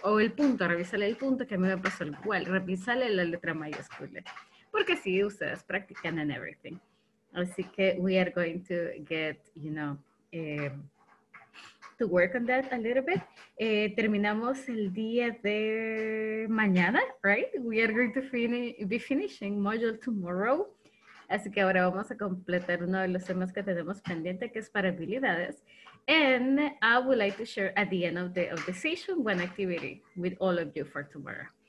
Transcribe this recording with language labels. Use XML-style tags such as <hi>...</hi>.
<es>O el punto, revísale el punto que a mí me pasó igual, revísale la letra mayúscula. Porque sí, ustedes practican</es> <en>and everything.</en> <es>Así que</es> <en>we are going to get, you know, to work on that a little bit.</en> <es>Terminamos el día de mañana, right?</es> <en>We are going to be finishing module tomorrow.</en> <es>Así que ahora vamos a completar uno de los temas que tenemos pendiente, que es para habilidades.</es> <en>And I would like to share at the end of the session one activity with all of you for tomorrow.</en>